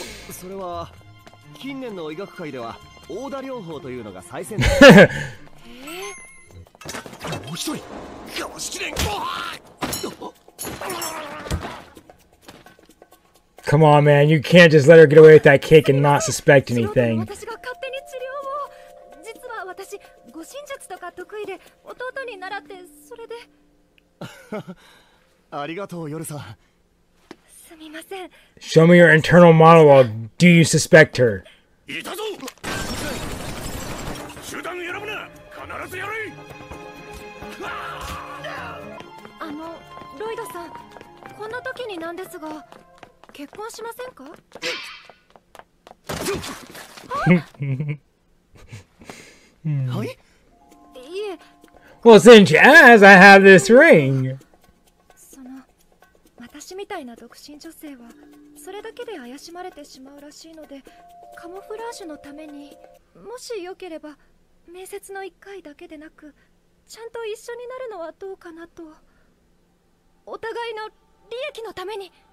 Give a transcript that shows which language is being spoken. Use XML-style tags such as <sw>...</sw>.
<ja>それは近年の医学界では殴打療法というのが最先端。もう一人、かわしきれんか。</ja> <en>Come on, man. You can't just let her get away with that kick and not suspect anything.</en> <ja>私が勝手に治療を。実は私、護身術とか得意で弟に習ってそれで。ありがとう、ヨルさん。</ja> <en>Show me your internal monologue. Do you suspect her? Lloyd-san, what is this time? Do you want to get married? Well, since you asked, I have this ring.</en> <ja>私みたいな独身女性はそれだけで怪しまれてしまうらしいのでカモフラージュのためにもしよければ面接の1回だけでなくちゃんと一緒になるのはどうかなとお互いの利益のために</ja>